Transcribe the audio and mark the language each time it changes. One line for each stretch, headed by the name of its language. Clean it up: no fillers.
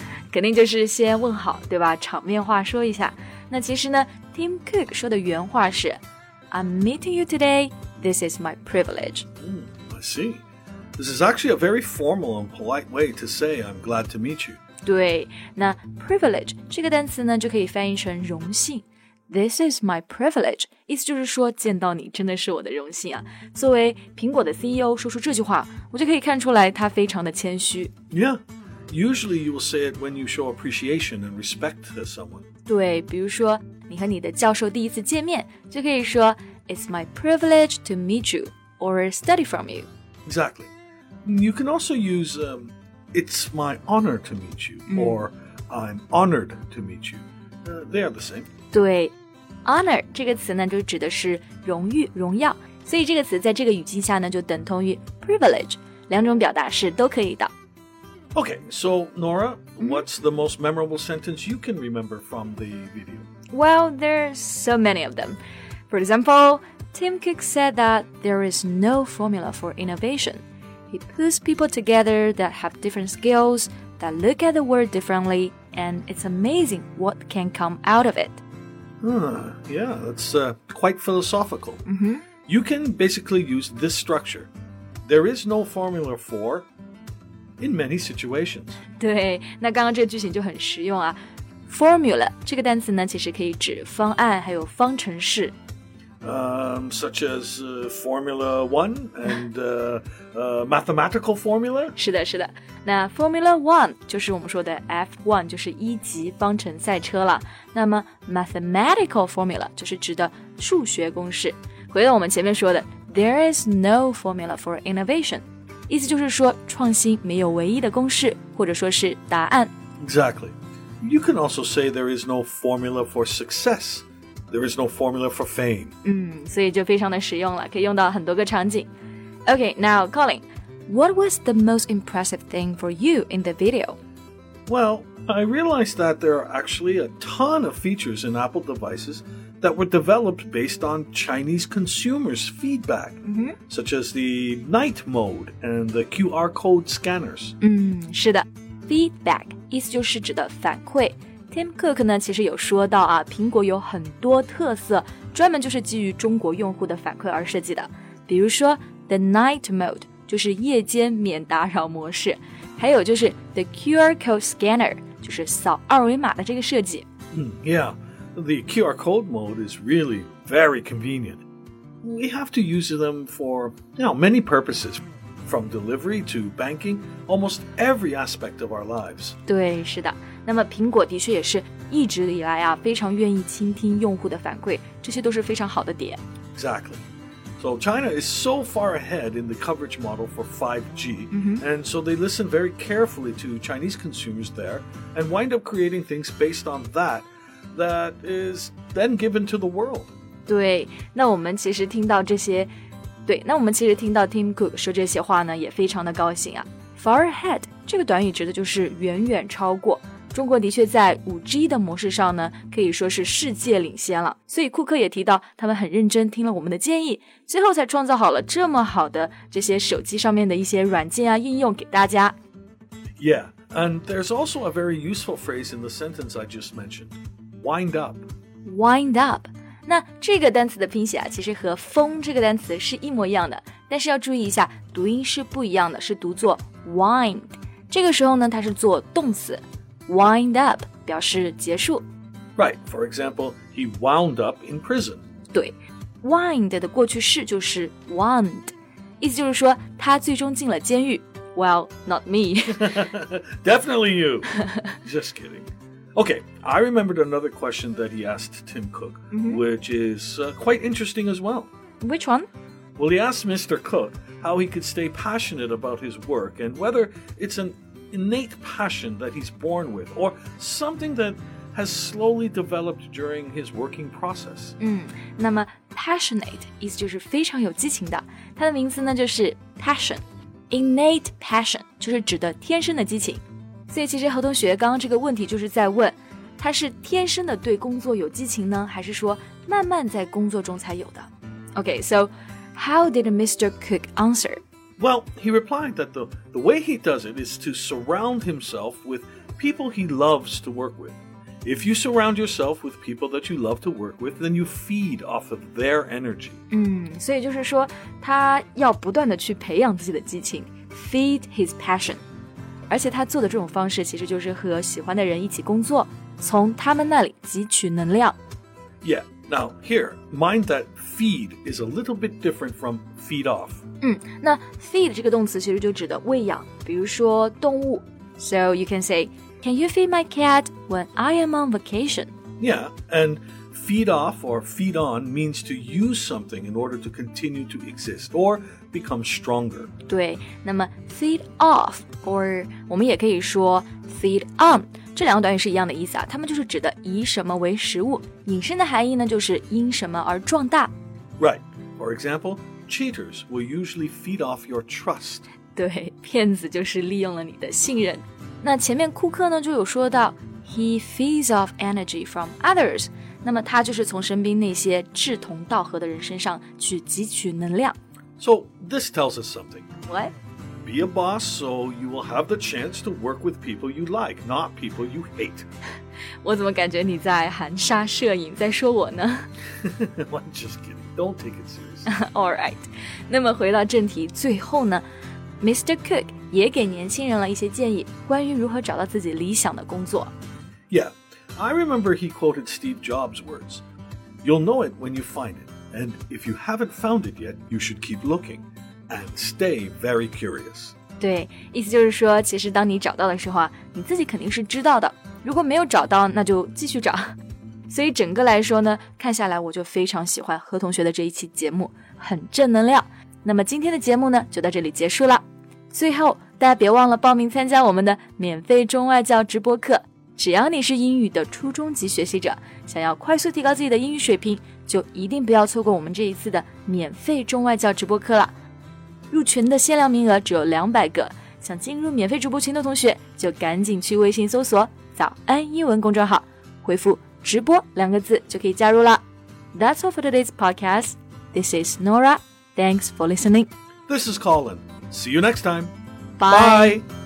Chinese: 肯定就是先问好，对吧？场面话说一下。那其实呢，Tim Cook 说的原话是
English: I'm meeting you today. This is my privilege. I see. This is actually a very formal and polite way to say I'm glad to meet you.
Chinese: 对，那 privilege 这个单词呢就可以翻译成荣幸。
English: This is my privilege.
Chinese: 意思就是说见到你真的是我的荣幸啊。作为苹果的 CEO 说出这句话，我就可以看出来他非常的谦虚。
English: Yeah, usually you will say it when you show appreciation and respect to someone.
Chinese: 对，比如说你和你的教授第一次见面，就可以说
English: It's my privilege to meet you or study from you. Exactly. You can also use It's my honor to meet you or I'm honored to meet you. They are the same.
Chinese: 对 ，honor 这个词呢，就指的是荣誉、荣耀，所以这个词在这个语境下呢，就等同于 privilege， 两种表达是都可以的。
English: Okay, so Nora, what's the most memorable sentence you can remember from the video? Well, there are so many of them. For example, Tim Cook said that there is no formula for innovation. He puts people together that have different skills, that look at the world differently, and it's amazing what can come out of it. Yeah, that's quite philosophical. Mm-hmm. You can basically use this structure. There is no formula for in many situations.
Chinese: 对，那刚刚这个句型就很实用啊。Formula 这个单词呢，其实可以指方案，还有方程式。
English: Such as Formula One and mathematical formula.
Chinese: 是的，是的。那 Formula One 就是我们说的 F1， 就是一级方程赛车了。那么 mathematical formula 就是指的数学公式。回到我们前面说的 ，
English: There is no formula for innovation，
Chinese: 意思就是说创新没有唯一的公式，或者说是答案。
English: Exactly. You can also say there is no formula for success. There is no formula for fame.
Chinese: 所以就非常的实用了，可以用到很多个场景。
English: Okay, now, Colin, what was the most impressive thing for you in the video? Well, I realized that there are actually a ton of features in Apple devices that were developed based on Chinese consumers' feedback, such as the night mode and the QR code scanners.
Chinese: 是的 ,feedback, 意思就是指的反馈。Tim Cook 呢其实有说到啊，苹果有很多特色专门就是基于中国用户的反馈而设计的。比如说 ,the night mode, 就是夜间免打扰模式。还有就是 the QR code scanner, 就是扫二维码的这个设计。
English: Yeah, the QR code mode is really very convenient. We have to use them for, you know, many purposes, from delivery to banking, almost every aspect of our lives.
Chinese: 对，是的。那么苹果的确也是一直以来啊非常愿意倾听用户的反馈，这些都是非常好的点。
English: Exactly. So China is so far ahead in the coverage model for 5G,、and so they listen very carefully to Chinese consumers there and wind up creating things based on that that is then given to the world.
Chinese: 对，那我们其实听到这些，对，那我们其实听到 Tim Cook 说这些话呢，也非常的高兴啊。 Far ahead 这个短语指的就是远远超过。中国的确在 5G 的模式上呢可以说是世界领先了。所以库克也提到他们很认真听了我们的建议，最后才创造好了这么好的这些手机上面的一些软件啊应用给大家。
English: Yeah, and there's also a very useful phrase in the sentence I just mentioned, wind up. Wind up.
Chinese: 那这个单词的拼写啊其实和风这个单词是一模一样的，但是要注意一下读音是不一样的，是读作 wind。这个时候呢它是做动词。Wind up 表示结束
English: Right, for example, he wound up in prison
Chinese: 对 Wind 的过去式就是 wound 意思就是说他最终进了监狱
English: Well, not me Definitely you Just kidding Okay, I remembered another question that he asked Tim Cook、which is、quite interesting as well Which one? Well, he asked Mr. Cook how he could stay passionate about his work and whether it's aninnate passion that he's born with or something that has slowly developed during his working process.
Chinese: 那么 passionate 意思就是非常有激情的，它的名词呢就是 passion. Innate passion 就是指的天生的激情。所以其实何同学刚刚这个问题就是在问，他是天生的对工作有激情呢，还是说慢慢在工作中才有的？
English: Okay, so how did Mr. Cook answer? Well, he replied that the way he does it is to surround himself with people he loves to work with. If you surround yourself with people that you love to work with, then you feed off of their energy.
Chinese: 所以就是说他要不断的去培养自己的激情
English: feed his passion.
Chinese: 而且他做的这种方式其实就是和喜欢的人一起工作，从他们那里汲取能量。
English: Yeah, now here, mind that feed is a little bit different from feed off.
Chinese: 那 feed 这个动词其实就指的喂养，比如说动物。
English: So you can say, can you feed my cat when I am on vacation? Yeah, and feed off or feed on means to use something in order to continue to exist or become stronger.
Chinese: 对，那么 feed off or 我们也可以说 feed on, 这两个短语是一样的意思啊，它们就是指的以什么为食物，引申的含义呢就是因什么而壮大。
English: Right, for example,Cheaters will usually feed off your trust.
Chinese: 对，骗子就是利用了你的信任。那前面库克呢就有说到 ，
English: he feeds off energy from others.
Chinese: 那么他就是从身边那些志同道合的人身上去汲取能量。
English: So this tells us something. What? Be a boss so you will have the chance to work with people you like, not people you hate.
Chinese: 我怎么感觉你在含沙射影，在说我呢
English: ？I'm just kidding. Don't take it seriously. All right.
Chinese: 那么回到正题，最后呢 ，Mr. Cook 也给年轻人了一些建议，关于如何找到自己理想的工作。
English: Yeah, I remember he quoted Steve Jobs' words. You'll know it when you find it, and if you haven't found it yet, you should keep looking and stay very curious.
Chinese: 对，意思就是说，其实当你找到的时候啊，你自己肯定是知道的。如果没有找到，那就继续找。所以整个来说呢，看下来我就非常喜欢何同学的这一期节目，很正能量。那么今天的节目呢，就到这里结束了。最后，大家别忘了报名参加我们的免费中外教直播课。只要你是英语的初中级学习者，想要快速提高自己的英语水平，就一定不要错过我们这一次的免费中外教直播课了。入群的限量名额只有200个，想进入免费直播群的同学就赶紧去微信搜索早安英文公众号，回复直播两个字就可以加入了。
English: That's all for today's podcast. This is Nora. Thanks for listening. This is Colin. See you next time. Bye.